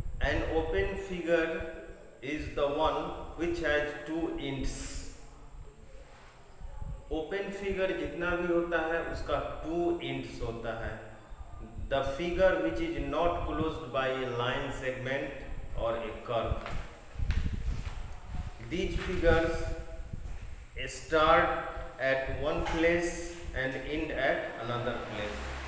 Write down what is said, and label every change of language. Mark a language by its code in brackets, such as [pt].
[en] An open figure is the one which has two ends. [hi] Open figure जितना भी होता है उसका two ends होता है. [en] The figure which is not closed by a line segment or a curve. These figures start at one place and end at another place.